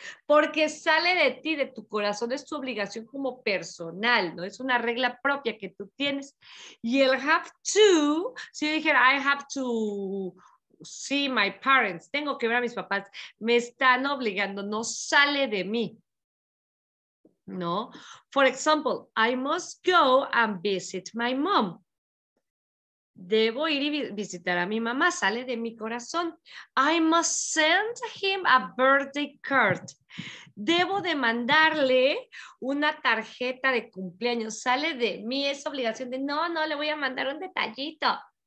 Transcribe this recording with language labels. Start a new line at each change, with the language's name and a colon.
Spanish: Porque sale de ti, de tu corazón, es tu obligación como personal, ¿no? Es una regla propia que tú tienes. Y el have to, si yo dijera,
English: I have to see my parents,
Spanish: tengo que ver a mis papás, me están obligando, no sale de mí, ¿no?
English: For example, I must go and visit my mom.
Spanish: Debo ir y visitar a mi mamá, sale de mi corazón.
English: I must send him a birthday card.
Spanish: Debo de mandarle una tarjeta de cumpleaños, sale de mí, es obligación de, no, no, le voy a mandar un detallito.